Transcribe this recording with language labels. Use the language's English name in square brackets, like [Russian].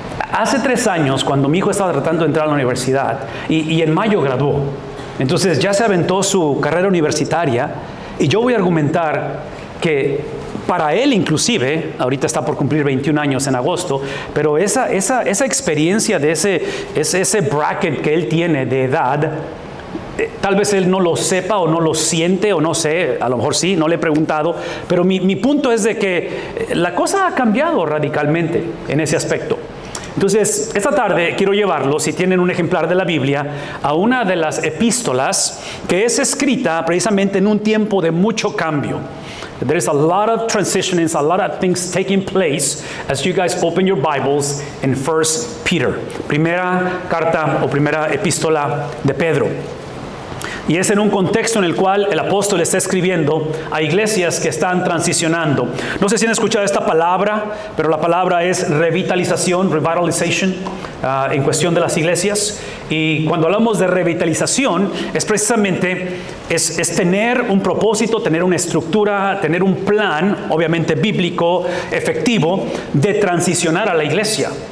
[Spanish] Hace 3 años, cuando mi hijo estaba tratando de entrar a la universidad, y en mayo graduó, entonces ya se aventó su carrera universitaria, y yo voy a argumentar que para él inclusive, ahorita está por cumplir 21 años en agosto, pero esa experiencia de ese bracket que él tiene de edad, tal vez él no lo sepa o no lo siente o no sé, a lo mejor sí, no le he preguntado, pero mi punto es de que la cosa ha cambiado radicalmente en ese aspecto. Entonces, esta tarde quiero llevarlos, si tienen un ejemplar de la Biblia, a una de las epístolas que es escrita precisamente en un tiempo de mucho cambio. [English] There is a lot of transition, a lot of things taking place as you guys open your Bibles in 1 Peter. [Spanish] Primera carta o primera epístola de Pedro. Y es en un contexto en el cual el apóstol está escribiendo a iglesias que están transicionando. No sé si han escuchado esta palabra, pero la palabra es revitalización, revitalization, en cuestión de las iglesias. Y cuando hablamos de revitalización, es precisamente es tener un propósito, tener una estructura, tener un plan, obviamente bíblico, efectivo, de transicionar a la iglesia.